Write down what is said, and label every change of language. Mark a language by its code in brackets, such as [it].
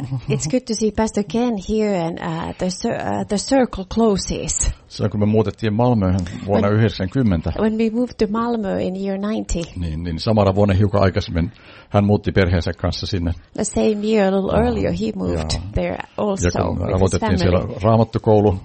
[en] It's good to see Pastor Ken here and the circle closes. [fi] Se on, kun me muutettiin Malmöön vuonna 90. [en] When we moved to Malmö in year 90. [fi] Niin samana vuonna hiukan aikaisemmin hän muutti perheensä kanssa sinne. [en] The same year, a little earlier, he moved there also. [fi] Ja kun aloitettiin siellä Raamattukoulu.